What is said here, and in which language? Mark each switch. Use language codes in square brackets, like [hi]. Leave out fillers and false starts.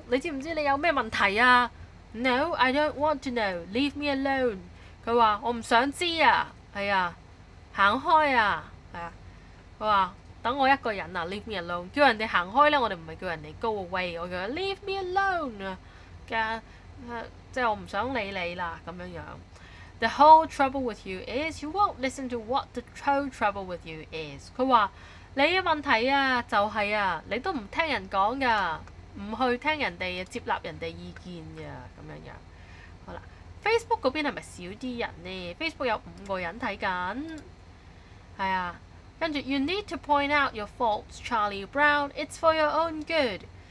[yue] 你知唔知你有咩問題啊 ？ [en] No, I don't want to know. Leave me alone。 [yue] 佢話我唔想知啊，係啊，行開啊，係啊。佢話等我一個人啊 ， [en] Leave me alone。 [yue] 叫人哋行開咧，我哋唔係叫人哋 [en] go away， [yue] 我叫 Leave me alone 啊。嘅即係我唔想理你啦，咁樣樣。 [en] The whole trouble with you is you won't listen to what the whole trouble with you is。 [yue] 佢話。你的問題啊，就係啊，你都唔聽人講噶，唔去聽人哋接納人哋意見噶，咁樣樣。好啦 ，Facebook 嗰邊係咪少啲人呢 ？Facebook 有5個人睇緊，係啊。 [en] 跟住 ，You need to point out your faults, Charlie Brown. It's for your own good。